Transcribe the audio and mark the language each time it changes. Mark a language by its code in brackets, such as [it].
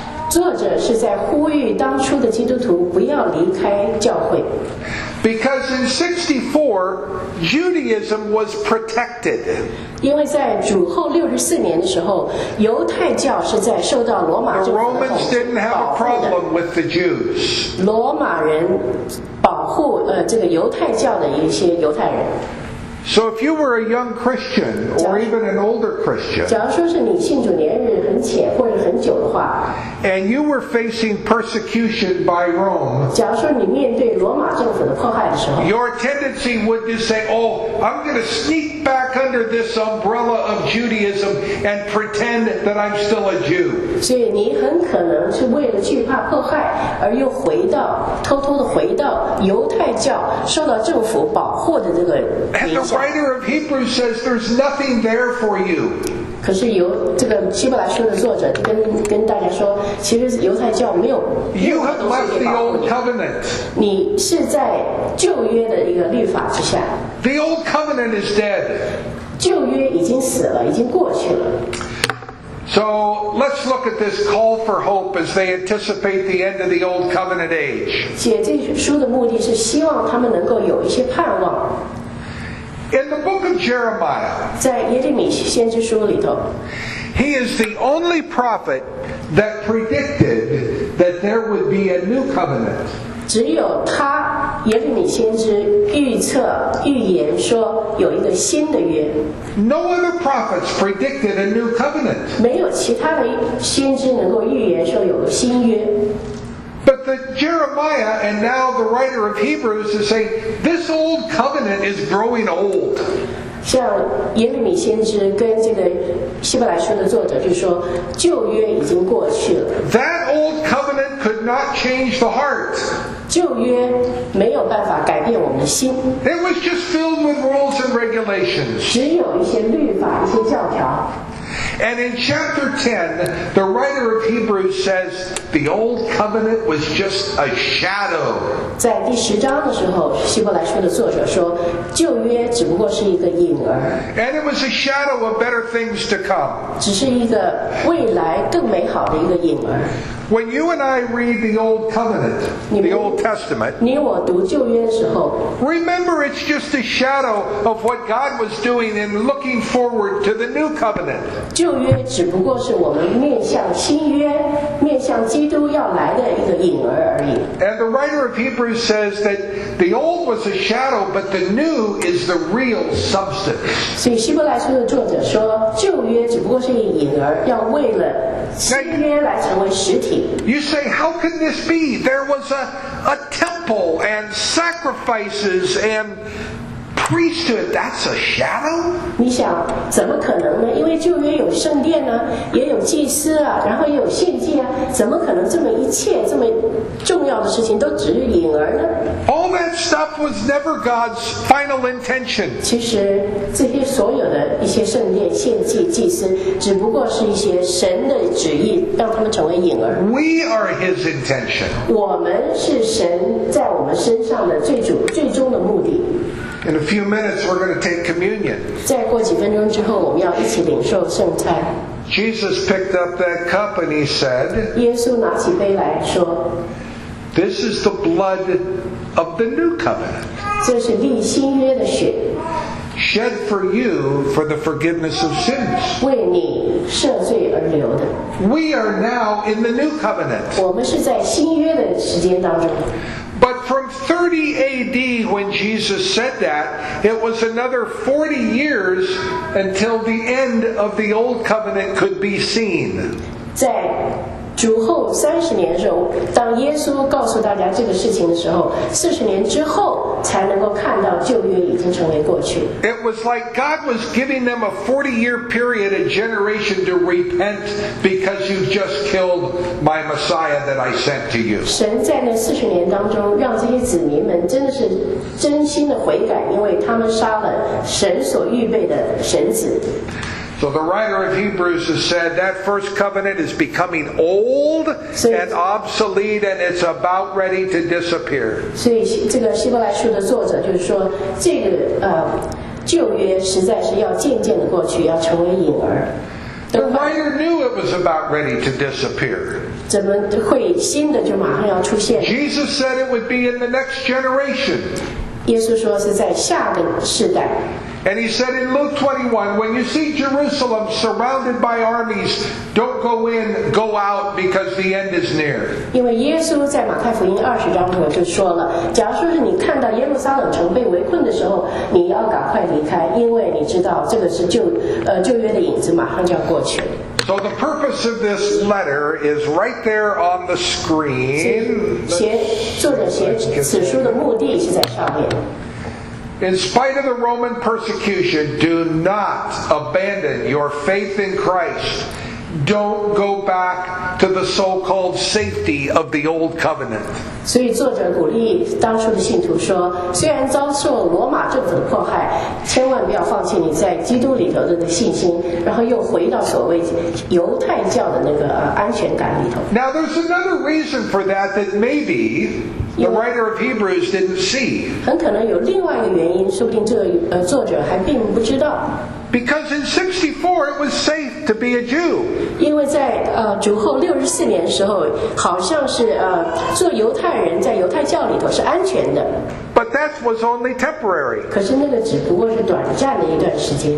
[zh] 作者是在呼吁当初的基督徒不要离开教会。 [en] Because in 64, Judaism was protected. [zh] 因为在主后六十四年的时候，犹太教是在受到罗马政府的保护的。 [en] The Romans didn't have a problem with the Jews. [zh] 罗马人保护这个犹太教的一些犹太人。 [en] So if you were a young Christian or even an older Christian, [zh] 假如说是你信主年日很浅或者很久的话， [en] and you were facing persecution by Rome, [zh] 假如说你面对罗马政府的迫害的时候， [en] your tendency would just say, "Oh, I'm going to sneak back under this umbrella of Judaism and pretend that I'm still a Jew." [zh] 所以你很可能是为了惧怕迫害而又回到偷偷的回到犹太教受到政府保护的这个。 [en] The writer of Hebrews says there's nothing there for you. [zh] 可是由这个希伯来书的作者跟大家说，其实犹太教没有。 [en] You have left the old covenant. [zh] 你是在旧约的一个律法之下。 [en] The old covenant is dead. [zh] 旧约已经死了，已经过去了。 [en] So let's look at this call for hope as they anticipate the end of the old covenant age. [zh] 写这书的目的是希望他们能够有一些盼望。 [en] In the book of Jeremiah, [zh] 在耶利米先知书里头， [en] he is the only prophet that predicted that there would be a new covenant. [zh] 只有他耶利米先知预测预言说有一个新的约。 [en] No other prophets predicted a new covenant. [zh] 没有其他的先知能够预言说有个新约。 [en] But the Jeremiah and now the writer of Hebrews is saying this old covenant is growing old. [zh] 像耶利米先知跟这个希伯来书的作者就说，旧约已经过去了。 [en] That old covenant could not change the heart. [zh] 旧约没有办法改变我们的心。 [en] It was just filled with rules and regulations. [zh] 只有一些律法，一些教条。 [en] And in chapter 10, the writer of Hebrews says the old covenant was just a shadow. [zh] 在第十章的时候，希伯来书的作者说，旧约只不过是一个影儿。 [en] And it was a shadow of better things to come. [zh] 只是一个未来更美好的一个影儿。 [en] When you and I read the Old Covenant, the Old Testament, [zh] 你我读旧约的时候 [en] remember it's just a shadow of what God was doing in looking forward to the New Covenant. [zh] 旧约只不过是我们面向新约，面向基督要来的一个影儿而已。 [en] And the writer of Hebrews says that the old was a shadow, but the new is the real substance. [zh] 所以希伯来书的作者说，旧约只不过是一个影儿，要为了新约来成为实体。 [en] You say, how can this be? There was a temple and sacrifices and priesthood. That's a shadow? [zh] 你想怎么可能呢？因为旧约有圣殿呢，也有祭司啊，然后也有献祭啊，怎么可能这么一切这么重要的事情都只是影儿呢？ [en] All that stuff was never God's final intention. [zh] 其实这些所有的一些圣殿、献祭、祭司，只不过是一些神的旨意，让他们成为影儿。 [en] We are His intention. [zh] 我们是神在我们身上的最终的目的。 [en] In a few minutes, we're going to take communion. [zh] 再过几分钟之后，我们要一起领受圣餐。 [en] Jesus picked up that cup and he said, [zh] 耶稣拿起杯来说， [en] This is the blood of the new covenant. [zh] 这是立新约的血。 [en] Shed for you for the forgiveness of sins. [zh] 为你赦罪而流的。 [en] We are now in the new covenant. [zh] 我们是在新约的时间当中。 [en] But from 30 AD when Jesus said that, it was another 40 years until the end of the old covenant could be seen. [zh] 在主后30年的时候，当耶稣告诉大家这个事情的时候，40年之后才能够看到旧约已经成为过去。 [en] It was like God was giving them a 40 year period, a generation to repent because you've just killed my Messiah that I sent to you. [zh] 神在那40年当中让这些子民们真的是真心的悔改，因为他们杀了神所预备的神子。 [en] So the writer of Hebrews has said that first covenant is becoming old and obsolete and it's about ready to disappear. [zh] 所以这个希伯来书的作者就是说，这个旧约实在是要渐渐的过去，要成为影儿。 [en] The writer knew it was about ready to disappear. [zh] 怎么会新的就马上要出现？ [en] Jesus said it would be in the next generation. [zh] 耶稣说是在下个世代。 [en] And he said in Luke 21, when you see Jerusalem surrounded by armies, don't go in, go out, because the end is near. [zh] 因为耶稣在马太福音二十章里面就说了，假如说是你看到耶路撒冷城被围困的时候，你要赶快离开，因为你知道这个是旧约的影子马上就要过去了。 [en] So the purpose of this letter is right there on the screen. [zh] 作者写此书的目的是在上面。 [en] In spite of the Roman persecution, do not abandon your faith in Christ. Don't go back to the so-called safety of the old covenant. [zh] 所以作者鼓励当初的信徒说，虽然遭受罗马政府的迫害，千万不要放弃你在基督里头的信心，然后又回到所谓犹太教的那个安全感里头。 [en] Now there's another reason for that that maybe the writer of Hebrews didn't see. [zh] 很可能有另外一个原因，说不定这个作者还并不知道。 [en] Because in 64 it was safe to be a Jew. [zh] 因为在主后64年的时候，好像是做犹太犯人在犹太教里头是安全的。 [en] But that was only temporary. [zh] 可是那个只不过是短暂的一段时间。